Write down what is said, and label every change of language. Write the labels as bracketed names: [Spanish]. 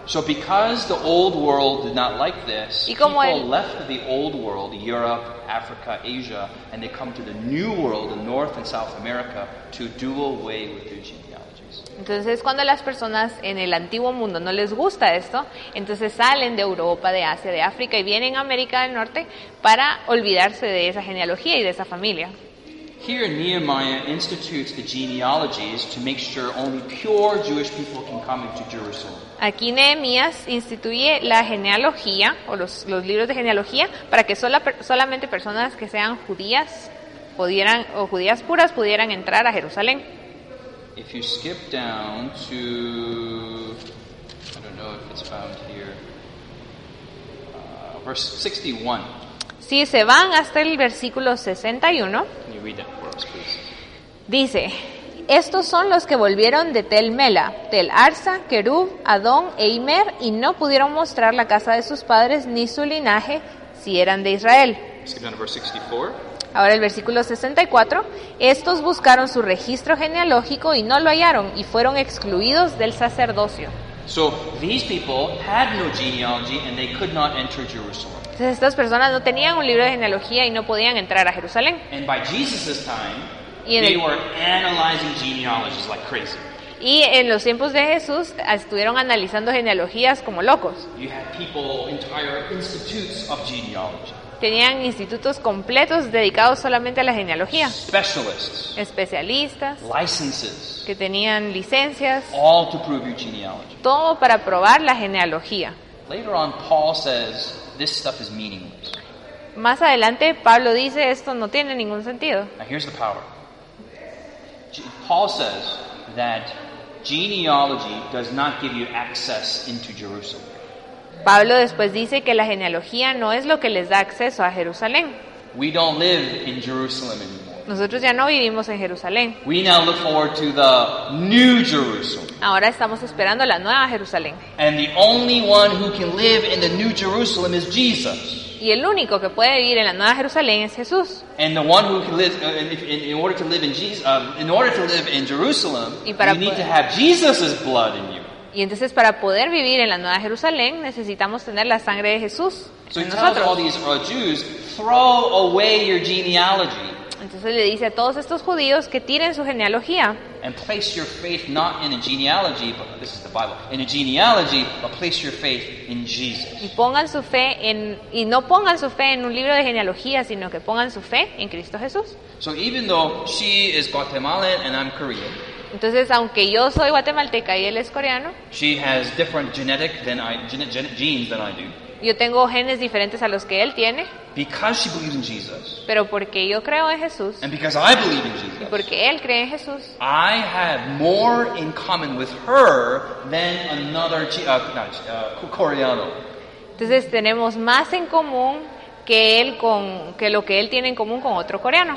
[English] So because the old world did not like this, people left the old world, Europe, Africa, Asia, and they come to the new world, in North and South America, to do away with their genes. [Spanish] Entonces, cuando las personas en el antiguo mundo no les gusta esto, entonces salen de Europa, de Asia, de África y vienen a América del Norte para olvidarse de esa genealogía y de esa familia. [English] Here Nehemiah institutes the genealogies to make sure only pure Jewish people can come into Jerusalem. [Spanish] Aquí Nehemías instituye la genealogía o los libros de genealogía para que solamente personas que sean judías pudieran o judías puras pudieran entrar a Jerusalén. [English] If you skip down to, I don't know if it's found here, verse 61. [Spanish] Si se van hasta el versículo 61. [English] Can you read that for us, please? [Spanish] Dice, estos son los que volvieron de Tel Mela, Tel Arsa, Kerub, Adón e Imer, y no pudieron mostrar la casa de sus padres ni su linaje si eran de Israel. [English] Skip down to verse 64. [Spanish] Ahora el versículo 64. Estos buscaron su registro genealógico y no lo hallaron y fueron excluidos del sacerdocio. [English] So these people had no genealogy and they could not enter Jerusalem. [Spanish] Entonces estas personas no tenían un libro de genealogía y no podían entrar a Jerusalén. [English] And by Jesus's time, they were analyzing genealogies like crazy. [Spanish] Y en los tiempos de Jesús estuvieron analizando genealogías como locos. [English] You had people, entire institutes of genealogy. [Spanish] Tenían institutos completos dedicados solamente a la genealogía. [English] Specialists, [Spanish] especialistas. [English] Licenses, [Spanish] que tenían licencias. [English] All to prove your genealogy. [Spanish] Todo para probar la genealogía. [English] Later on, Paul says, this stuff is meaningless. [Spanish] Más adelante, Pablo dice, esto no tiene ningún sentido. [English] Now here's the power. Paul says that genealogy does not give you access into Jerusalem. [Spanish] Pablo después dice que la genealogía no es lo que les da acceso a Jerusalén. [English] We don't live in Jerusalem anymore. [Spanish] Nosotros ya no vivimos en Jerusalén. [English] We now look forward to the new Jerusalem. [Spanish] Ahora estamos esperando la nueva Jerusalén. [English] And the only one who can live in the new Jerusalem is Jesus. [Spanish] Y el único que puede vivir en la nueva Jerusalén es Jesús. [English] And the one who can live in order to live in Jesus, in order to live in Jerusalem, you need to have Jesus's blood in you. [Spanish] Y entonces para poder vivir en la Nueva Jerusalén necesitamos tener la sangre de Jesús en nosotros. [English] All these Jews, throw away your genealogy. [Spanish] Entonces le dice a todos estos judíos que tiren su genealogía. [English] And place your faith not in a genealogy, but this is the Bible. In a genealogy, but place your faith in Jesus. [Spanish] Y pongan su fe en y no pongan su fe en un libro de genealogía, sino que pongan su fe en Cristo Jesús. [English] So even though she is Guatemalan and I'm Korean. [Spanish] Entonces, aunque yo soy guatemalteca y él es coreano, [English] she has different genetic than I, genes than I do. [Spanish] Yo tengo genes diferentes a los que él tiene. [English] Because she believes in Jesus. [Spanish] Pero porque yo creo en Jesús. [English] And because I believe in Jesus. [Spanish] Y porque él cree en Jesús. [English] I have more in common with her than another coreano. [Spanish] Entonces tenemos más en común que lo que él tiene en común con otro coreano.